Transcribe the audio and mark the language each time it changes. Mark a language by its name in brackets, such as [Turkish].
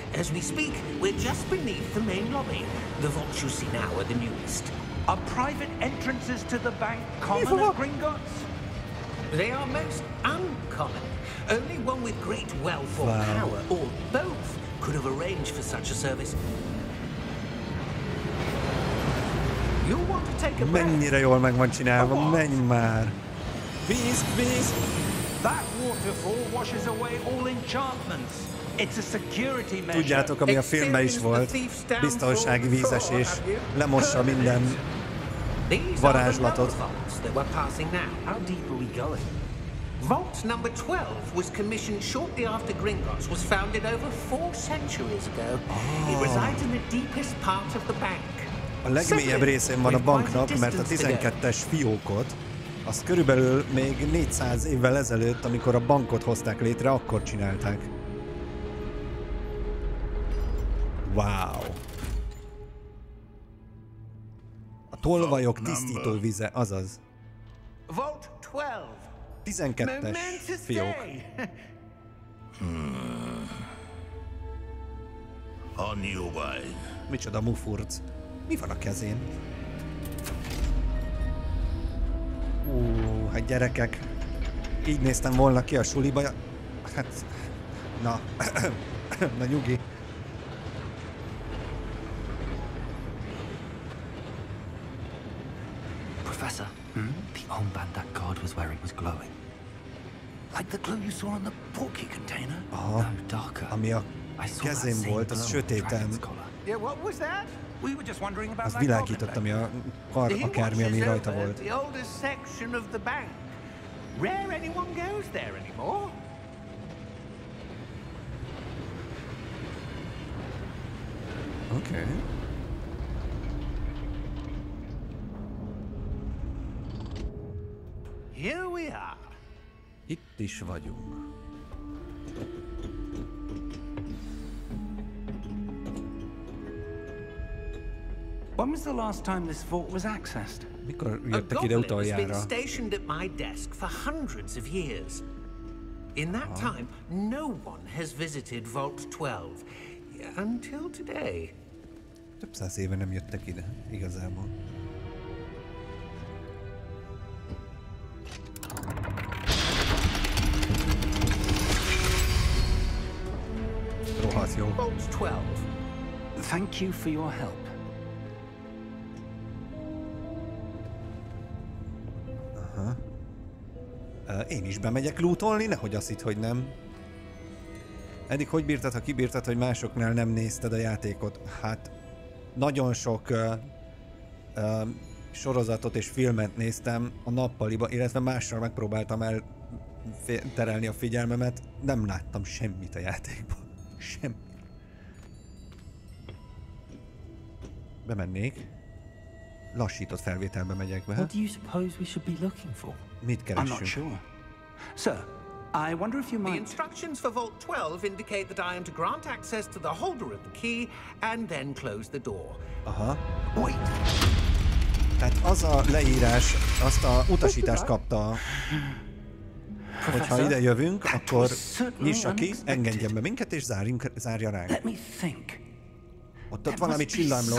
[English] As we speak, we're just beneath the main lobby. The vaults you see now are the newest. Are private entrances to the bank common at Gringotts? They are most uncommon. Only one with great wealth or power, or both, could have arranged for such a service. You'll want to take a breath. [Hungarian] Mennyire jól meg van csinálva, menj már! [English] That waterfall washes away all enchantments. It's a security measure. [Hungarian] Tudjátok, ami a filmben is volt. Biztonsági vízesés. Lemossa minden varázslatot. [English] Vault number 12 was commissioned shortly after Gringotts was founded over 4 centuries ago. It resides in the deepest part of the bank. [Hungarian] A legmélyebb részén van a banknak, mert a 12-es fiókot az körülbelül még 400 évvel ezelőtt, amikor a bankot hozták létre, akkor csinálták. Wow. A tolvajok tisztító vize, azaz. [English] Vault 12. [Hungarian] 12-es fiók. [English] A new wine. [Hungarian] Micsoda mufurc. Mi van a kezén? Hát gyerekek, így néztem volna ki a suliba, hát, na, na nyugi. [English] Professor, the armband that guard was wearing was glowing. Like the glow you saw on the porky container? Aha, no, darker. [Hungarian] Ami a kezén volt, az sötéten. [English] Yeah, what was that? We were just wondering about [Hungarian] az világított, ami a kar, akármi, ami rajta volt. [English] The oldest section of the bank. Rare anyone goes there anymore. Okay. Here we are. [Hungarian] Itt is vagyunk. [English] When was the last time this vault was accessed? [Hungarian] Mikor jöttek ide utoljára? [English] A goblin has been stationed at my desk for hundreds of years. In that time, no one has visited Vault 12. Until today. [Hungarian] Több száz éve nem jöttek ide, igazából. Rohadt jó. [English] Vault 12. Thank you for your help. [Hungarian] Én is bemegyek lootolni, nehogy azt itt, hogy nem. Eddig hogy bírtad, ha kibírtad, hogy másoknál nem nézted a játékot? Hát, nagyon sok sorozatot és filmet néztem a nappaliba, illetve másra megpróbáltam elterelni a figyelmemet. Nem láttam semmit a játékban. Semmit. Bemennék. Lassított felvételbe megyek be. [English] What do you suppose we should be looking for? [Hungarian] Mit keresünk? [English] I'm not sure. Sir, I wonder if you might... The instructions for Vault 12 indicate that I am to grant access to the holder of the key and then close the door. Aha. Wait. [Hungarian] Tehát az a leírás, azt a utasítást kapta, hogyha ide jövünk, akkor nyissa ki, engedjen be minket és zárja ránk. [English] Let me think. [Hungarian] Ott ott valami csillámlott.